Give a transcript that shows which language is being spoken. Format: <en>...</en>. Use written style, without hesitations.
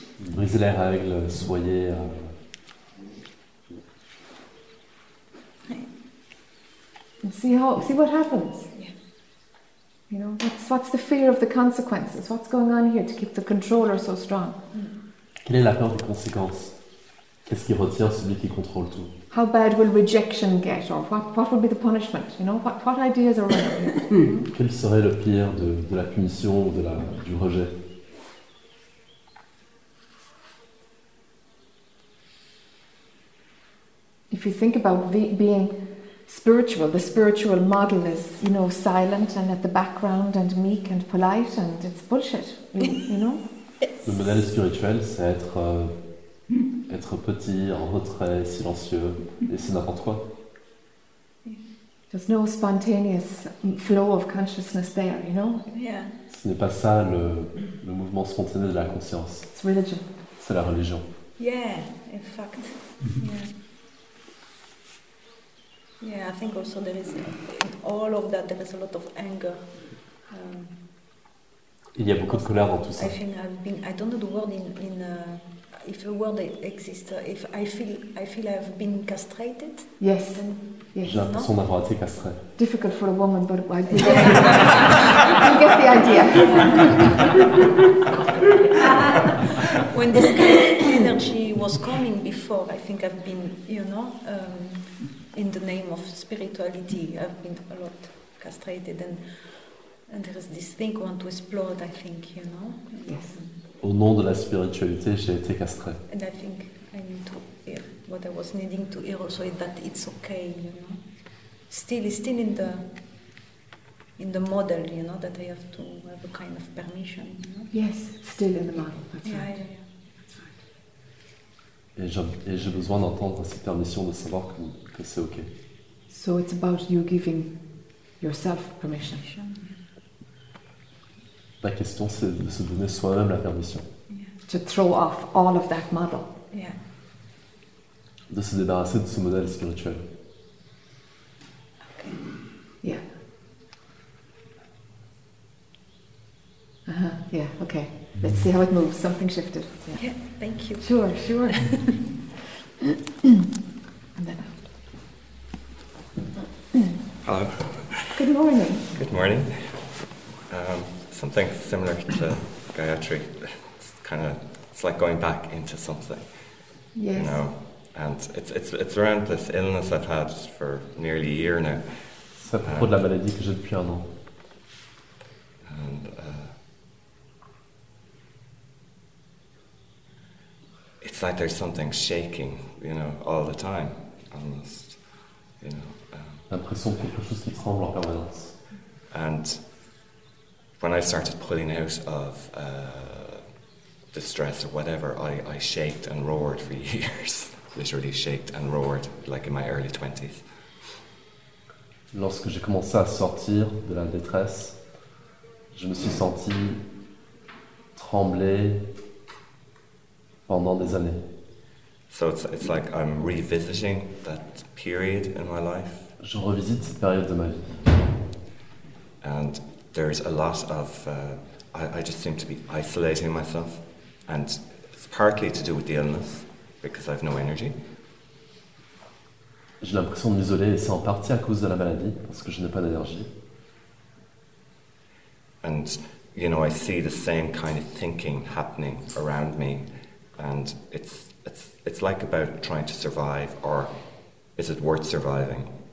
<fr>Brisez les règles. Soyez.</fr> <en>And see what happens. Yeah. You know, what's the fear of the consequences? What's going on here to keep the controller so strong?</en> <fr>Quelle est la peur des conséquences? Qu'est-ce qui retient celui qui contrôle tout?</fr> <en>How bad will rejection get, or what will be the punishment? You know, what ideas are around here?</en> <fr>Quel serait le pire de la punition ou du rejet?</fr> <en>If you think about being spiritual, the spiritual model is, you know, silent and at the background and meek and polite, and it's bullshit, you know?</en> <fr>Le modèle spirituel, c'est être petit, en retrait, silencieux, et c'est n'importe quoi.</fr> <en>There's no spontaneous flow of consciousness there, you know? Yeah.</en> <fr>Ce n'est pas ça, le mouvement spontané de la conscience.</fr> <en>It's religion.</en> <fr>C'est la religion.</fr> <en>Yeah, in fact, yeah. Yeah, I think also there is in all of that there is a lot of anger. Il y a beaucoup de colère dans tout ça. I think I don't know the word in if a word exists. If I feel I've been castrated. Yes.</en> <fr>J'ai l'impression d'avoir été castré.</fr> <en>Difficult for a woman, but I get the idea. When this kind of energy was coming before, I think I've been, you know. In the name of spirituality, I've been a lot castrated, and there is this thing I want to explode, I think, you know? Yes.</en> <fr>Au nom de la spiritualité, j'ai été castré.</fr> <en>And I think I need to hear what I was needing to hear also, that it's okay, you know? Still in the model, you know, that I have to have a kind of permission, you know? Yes, still in the model, that's yeah, right. Yeah, yeah.</en> <fr>Et j'ai besoin d'entendre cette permission de savoir que c'est ok.</fr> <en>So it's about you giving yourself permission.</en> <fr>La question, c'est de se donner soi-même la permission.</fr> <en>To throw off all of that model. Yeah.</en> <fr>De se débarrasser de ce modèle spirituel.</fr> <en>Okay. Yeah. Uh-huh. Yeah. Okay. Let's see how it moves. Something shifted. Yeah, thank you. Sure. And then out. Hello. Good morning. Good morning. Something similar to Gayatri. It's like going back into something. Yes. You know? And it's around this illness I've had for nearly a year now.</en> <fr>C'est à propos de la maladie que j'ai depuis un an.</fr> <en>And it's like there's something shaking, you know, all the time, almost, you know.</en> <fr>L'impression de quelque chose qui tremble en permanence.</fr> <en>And when I started pulling out of distress or whatever, I shaked and roared for years. Literally shaked and roared, like in my early 20s.</en> <fr>Lorsque j'ai commencé à sortir de la détresse, je me suis senti trembler pendant des années.</fr> <en>So it's like I'm revisiting that period in my life.</en> <fr>Je revisite cette période de ma vie.</fr> <en>And there's a lot of I just seem to be isolating myself, and it's partly to do with the illness because I have no energy.</en> <fr>J'ai l'impression de m'isoler et c'est en partie à cause de la maladie parce que je n'ai pas d'énergie.</fr> <en>And you know, I see the same kind of thinking happening around me, and it's like about trying to survive, or is it worth surviving?</en>